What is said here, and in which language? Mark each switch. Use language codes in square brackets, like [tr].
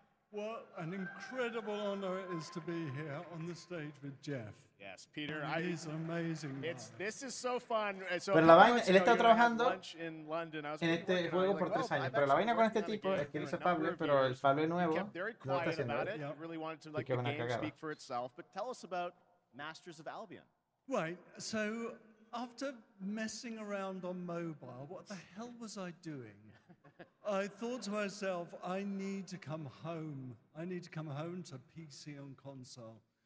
[en] What an incredible honor it is to be here on the stage with Jeff. Yes, Peter. He's amazing. It's man. This is so fun. So [es] pero la vaina, él está trabajando en este juego por 3 años. Pero la vaina con este tipo es que él hizo Fable, pero el Fable nuevo no está haciendo. [en] Yep. Really wanted to like the game speak for itself, but tell us about Masters of Albion. Right, so after messing around on mobile, what the hell was I doing? I thought to myself, I need to come home. I need to come home to PC and console.